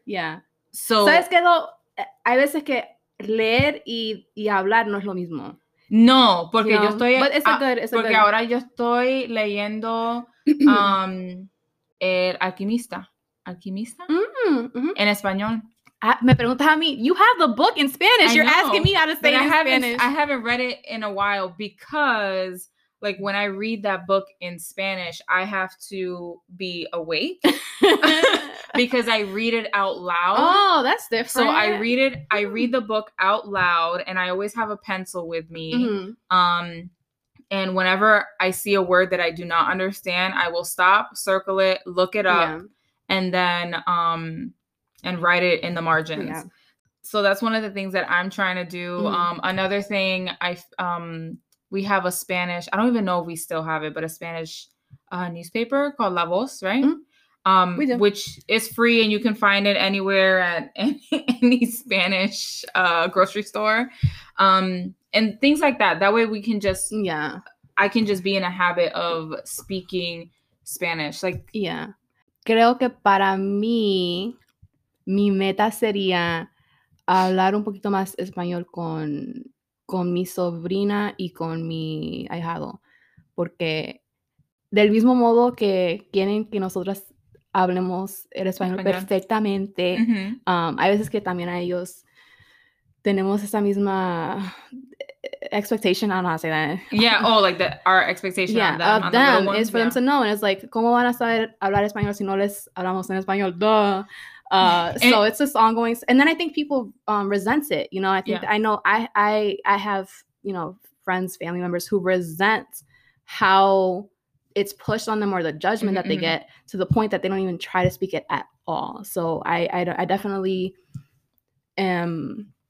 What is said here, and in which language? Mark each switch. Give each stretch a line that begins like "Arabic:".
English: Yeah. So,
Spanish: ¿sabes qué? Hay veces que leer y hablar no es lo mismo. No, porque you know, yo estoy...
English: But it's a good... It's
Spanish: porque
English: a good.
Spanish: Ahora yo estoy leyendo El Alquimista. ¿Alquimista? Mm-hmm. En español. Me preguntas a mí.
English: You have the book in Spanish. Asking me how to say it in Spanish. I haven't read it in a while because, like, when I read that book in Spanish, I have to be awake. Because I read it out loud. Oh, that's different. So I read the book out loud, and I always have a pencil with me. Mm-hmm. And whenever I see a word that I do not understand, I will stop, circle it, look it up, and then and write it in the margins. Yeah. So that's one of the things that I'm trying to do. Mm-hmm. Another thing, we have a Spanish, I don't even know if we still have it, but a Spanish newspaper called La Voz, right? Mm-hmm. Which is free and you can find it anywhere at any Spanish grocery store and things like that. That way we can just, I can just be in a habit of speaking Spanish. Like, yeah.
Spanish: Creo que para mí, mi meta sería hablar un poquito más español con mi sobrina y con mi ahijado. Porque del mismo modo que quieren que nosotras hablemos el español perfectamente. Mm-hmm. Hay veces que también a ellos
English: tenemos esa misma expectation. I don't know how to say that. Yeah. Oh, like the our expectation yeah, on them, of them is for yeah. them to know.
Spanish: And it's like, ¿cómo van a saber hablar español si no les hablamos en español?
English: Duh. So it's this ongoing. And then I think people resent it. You know, I think yeah. I know I have, you know, friends, family members who resent how it's pushed on them or the judgment mm-hmm. that they get to the point that they don't even try to speak it at all. So I definitely am.